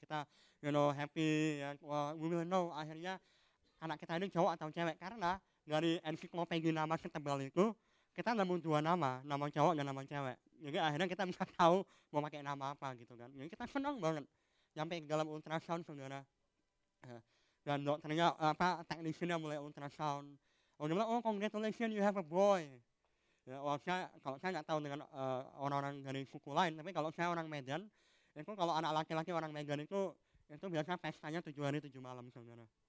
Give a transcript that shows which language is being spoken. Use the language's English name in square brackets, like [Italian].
[Indonesian] Kita, [English] you know, [Indonesian] happy. Ya. Wah, [English] we will know [Indonesian] akhirnya anak kita ini cowok atau cewek. Karena dari ensiklopedi nama setebal itu, kita nemu dua nama. Nama cowok dan nama cewek. Jadi akhirnya kita bisa tahu mau pakai nama apa gitu kan. Jadi kita senang banget. Sampai ke dalam ultrasound sebenarnya. Dan dokternya, apa, teknisinya mulai ultrasound. Oh, dia bilang, [English] oh, congratulations, you have a boy. [Indonesian] Ya, wah, saya, kalau saya nggak tahu dengan orang-orang dari suku lain, tapi kalau saya orang Medan, itu kalau anak laki-laki orang Medan itu biasanya pestanya 7 hari 7 malam, saudara.